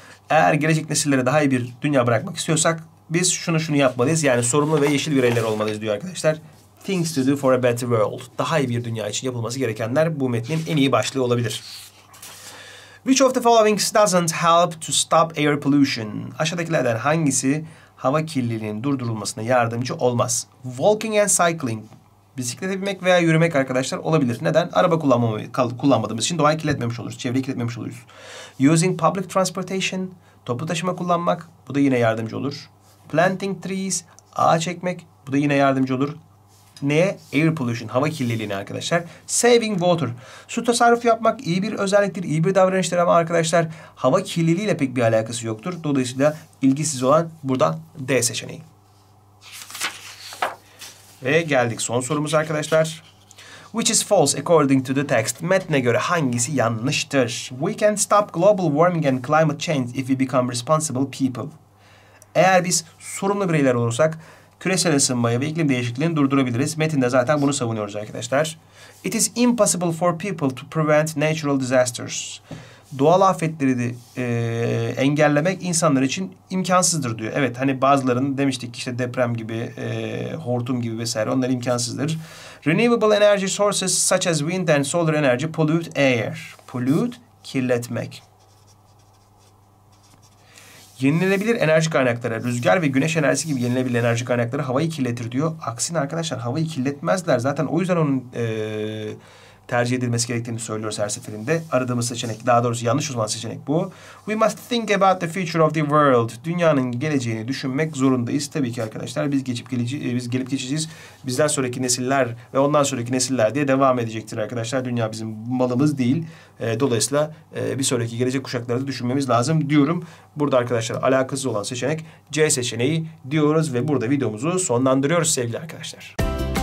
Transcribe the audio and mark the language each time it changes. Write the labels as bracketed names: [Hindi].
[Turkish] Eğer gelecek nesillere daha iyi bir dünya bırakmak istiyorsak biz şunu yapmalıyız. Yani sorumlu ve yeşil bireyler olmalıyız diyor arkadaşlar. [English] Things to do for a better world. [Turkish] Daha iyi bir dünya için yapılması gerekenler bu metnin en iyi başlığı olabilir. [English] Which of the following doesn't help to stop air pollution? [Turkish] Aşağıdakilerden hangisi hava kirliliğinin durdurulmasına yardımcı olmaz? [English] Walking and cycling. [Turkish] Bisiklete binmek veya yürümek arkadaşlar olabilir. Neden? Araba kullanmadığımız için doğayı kirletmemiş oluruz. Çevreyi kirletmemiş oluruz. [English] Using public transportation. [Turkish] Toplu taşıma kullanmak. Bu da yine yardımcı olur. [English] Planting trees, [Turkish] ağaç ekmek, bu da yine yardımcı olur. Neye? [English] Air pollution, [Turkish] hava kirliliğine arkadaşlar. [English] Saving water, [Turkish] su tasarrufu yapmak iyi bir özelliktir, iyi bir davranıştır ama arkadaşlar hava kirliliğiyle pek bir alakası yoktur. Dolayısıyla ilgisiz olan burada D seçeneği. Ve geldik son sorumuz arkadaşlar. [English] Which is false according to the text? [Turkish] Metne göre hangisi yanlıştır? [English] We can stop global warming and climate change if we become responsible people. [Turkish] Eğer biz sorumlu bireyler olursak küresel ısınmayı ve iklim değişikliğini durdurabiliriz. Metinde zaten bunu savunuyoruz arkadaşlar. [English] It is impossible for people to prevent natural disasters. [Turkish] Doğal afetleri de engellemek insanlar için imkansızdır diyor. Evet hani bazılarının demiştik işte deprem gibi, hortum gibi vesaire onlar imkansızdır. [English] Renewable energy sources such as wind and solar energy pollute air. Pollute, kirletmek. [Turkish] Yenilenebilir enerji kaynakları, rüzgar ve güneş enerjisi gibi yenilenebilir enerji kaynakları havayı kirletir diyor. Aksine arkadaşlar havayı kirletmezler. Zaten o yüzden onun tercih edilmesi gerektiğini söylüyoruz her seferinde. Aradığımız seçenek, daha doğrusu yanlış olan seçenek bu. [English] We must think about the future of the world. [Turkish] Dünyanın geleceğini düşünmek zorundayız. Tabii ki arkadaşlar biz gelip geçeceğiz. Bizden sonraki nesiller ve ondan sonraki nesiller diye devam edecektir arkadaşlar. Dünya bizim malımız değil. Dolayısıyla bir sonraki gelecek kuşakları da düşünmemiz lazım diyorum. Burada arkadaşlar alakasız olan seçenek C seçeneği diyoruz ve burada videomuzu sonlandırıyoruz sevgili arkadaşlar.